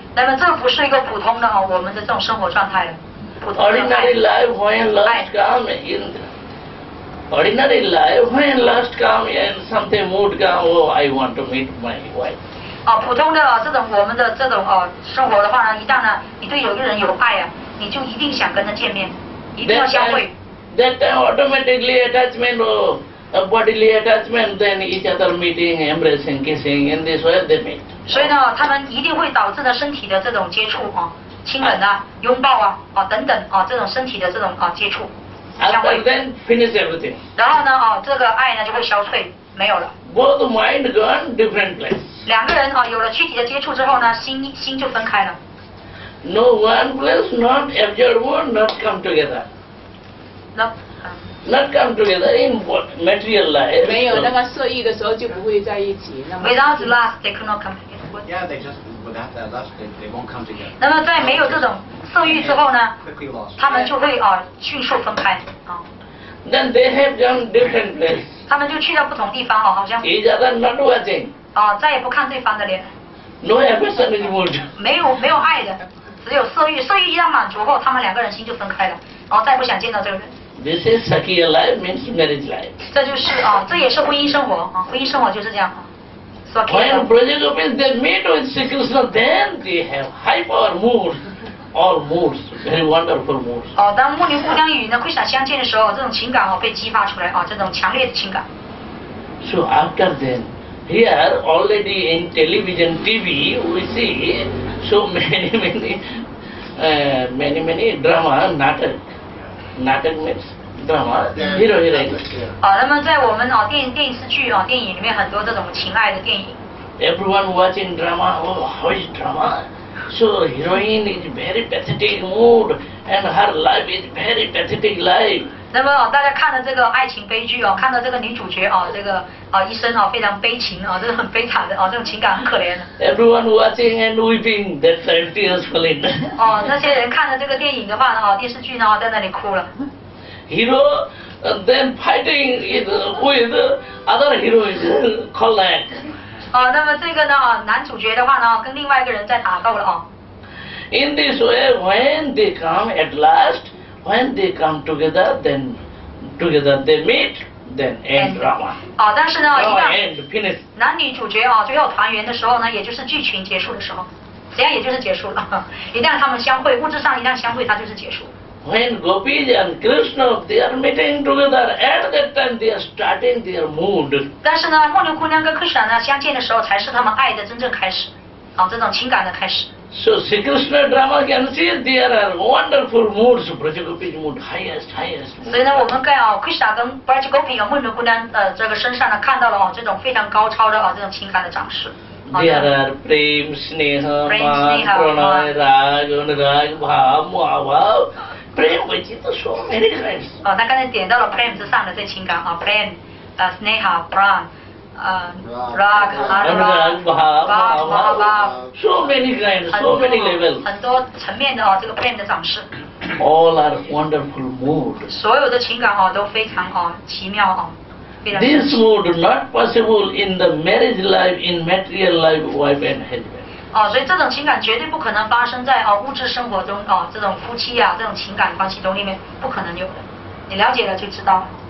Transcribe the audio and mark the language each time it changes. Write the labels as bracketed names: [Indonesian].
[Chinese] 那么这不是一个普通的啊，我们的这种生活状态。 [English] Ordinary life when lust come in. Ordinary life, when lust comes and something mood comes, oh, I want to meet my wife. [Chinese] 普通的这种我们的这种生活的话呢，一旦呢你对有一个人有爱啊，你就一定想跟他见面，一定要相会。 [English] That time automatically attachment, oh, bodily attachment, then each other meeting, embracing, kissing, in this way they meet. [Chinese] 所以呢，他们一定会导致的身体的这种接触啊，亲吻啊，拥抱啊，等等啊，这种身体的这种接触。 [English] And then finish everything. [Chinese] 然后呢，这个爱呢就会消退，没有了。 [English] Both mind gone different place. [Chinese] 两个人有了具体的接触之后呢，心就分开了。 [English] No one place, not absorb, not come together. Not come together in what material life. [Chinese] 没有那么色欲的时候就不会在一起。 [English] Without lust, they cannot come together. Yeah, they just without that lust, they won't come together. [Chinese] 那么在没有这种色欲之后呢，他们就会迅速分开 [English] Then they have gone different place. [Chinese] 他们就去到不同地方好像。 [English] Each other not watching. [Chinese] 再也不看对方的脸。 [English] No affection anymore. [Chinese] 没有爱的，只有色欲。色欲一旦满足后，他们两个人心就分开了，再不想见到这个人。 [English] This is sakya life means marriage life. [Chinese] 这就是这也是婚姻生活婚姻生活就是这样。 [English] When Brajagopis they meet with Sri Krishna, then they have high power moods, all moods, very wonderful moods. [Chinese] 当牧牛姑娘与那 Krishna 相见的时候，这种情感被激发出来这种强烈的情感。 [English] So after then, here already in television, TV, we see so many drama, natak means. Drama, hero, hero. [Chinese] 那么在我们电视剧电影里面很多这种情爱的电影。 [English] Everyone watching drama, oh, how is drama? So heroine is very pathetic mood, and her life is very pathetic life. [Chinese] 那么大家看了这个爱情悲剧看到这个女主角这个一生非常悲情这个很悲惨的这种情感很可怜的。 [English] Everyone watching and weeping, that's tearful. [Chinese] 那些人看了这个电影的话电视剧呢，在那里哭了。 [English] Hero, then fighting with other heroes, collect. [Chinese] 那么这个呢，男主角的话呢，跟另外一个人在打斗了 [English] In this way, when they come at last, when they come together, then together they meet, then end drama. [Chinese] 但是呢，一旦 [English] end finish [Chinese] 男女主角最后团圆的时候呢，也就是剧情结束的时候，这样也就是结束了。一旦他们相会，物质上一旦相会，它就是结束。 [English] When Gopis and Krishna they are meeting together, at that time they are starting their mood. [Chinese] 但是呢，牧牛姑娘跟 Krishna 呢相见的时候，才是他们爱的真正开始，这种情感的开始。 [English] So Sri Krishna drama can see there are wonderful moods, Brajagopi's mood highest. [Chinese] 所以呢，我们看Krishna 跟 Brajagopi 和牧牛姑娘这个身上呢，看到了这种非常高超的这种情感的展示。 [English] There are prem, sneha, [Sanskrit] maha, pranay, rag, bhav, mohabhav. [English] Prem, which is so many kinds. [Chinese] 他刚才点到了 Prem 之上的这情感Prem, Sneha, Pran, Rag, [Sanskrit] Anurag, Bhav, Mahabhav. [English] So many kinds, so many levels. [Chinese] 很多层面的这个 Prem 的展示。 [English] All are wonderful mood. [Chinese] 所有的情感都非常奇妙 [English] This mood not possible in the marriage life, in material life, wife and husband. [Chinese] 所以这种情感绝对不可能发生在物质生活中这种夫妻这种情感关系中里面不可能有的，你了解了就知道。